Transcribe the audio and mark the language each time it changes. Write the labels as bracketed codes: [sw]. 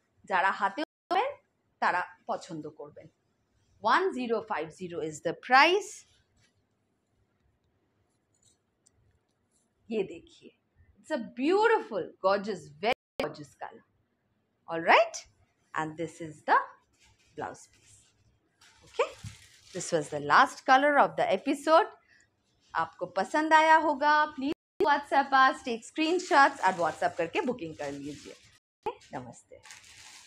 [bn] যারা হাতে পাবেন তারা পছন্দ করবেন. [en] 1050 is the price. [hi] ইয়ে দেখিয়ে, [en] It's a beautiful gorgeous, very gorgeous colour. All right and this is the blouse piece. Okay This was the last color of the episode. [hi] आपको पसंद आया होगा, [en] please WhatsApp us, take screenshots [hi] और WhatsApp करके booking कर लीजिए. नमस्ते.